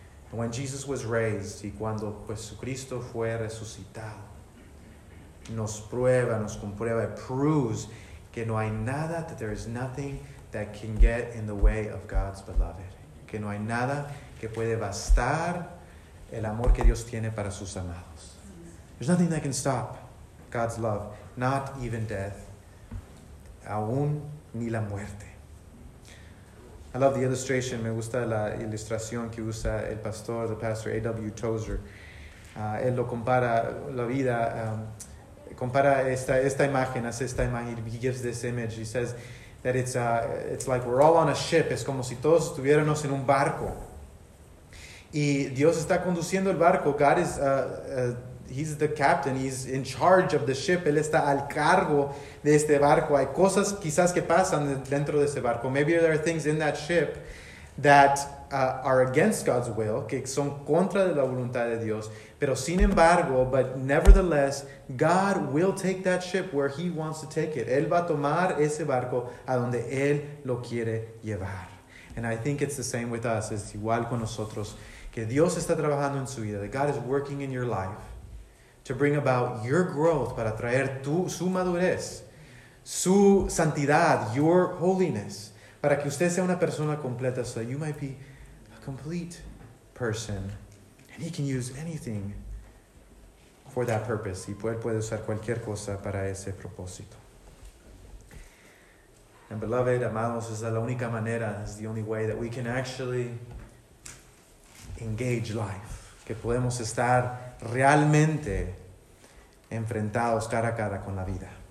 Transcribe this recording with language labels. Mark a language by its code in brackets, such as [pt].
[en] And when Jesus was raised, y cuando Jesucristo fue resucitado, nos prueba, nos comprueba, it proves que no hay nada, that there is nothing that can get in the way of God's beloved. [es] Que no hay nada que puede bastar el amor que Dios tiene para sus amados. [en] There's nothing that can stop God's love, not even death. [es] Aún ni la muerte. I love the illustration. Me gusta la ilustración que usa el pastor, the pastor A.W. Tozer. Él lo compara, la vida, compara esta imagen, hace esta imagen. [en] He gives this image. He says that it's like we're all on a ship. [es] Es como si todos estuviéramos en un barco. Y Dios está conduciendo el barco. God is, he's the captain. [en] He's in charge of the ship. Él está al cargo de este barco. [es] Hay cosas quizás que pasan dentro de ese barco. [en] Maybe there are things in that ship that are against God's will, que son contra de la voluntad de Dios. Pero sin embargo, but nevertheless, God will take that ship where he wants to take it. [es] Él va a tomar ese barco a donde él lo quiere llevar. [en] And I think it's the same with us. [es] Es igual con nosotros. Que Dios está trabajando en su vida. [en] That God is working in your life to bring about your growth, para traer su madurez, su santidad, your holiness, para que usted sea una persona completa, so you might be a complete person. And he can use anything for that purpose. [es] Y puede usar cualquier cosa para ese propósito. [en] And beloved, amados, es la única manera, is the only way that we can actually engage life. [es] Que podemos estar realmente enfrentados cara a cara con la vida.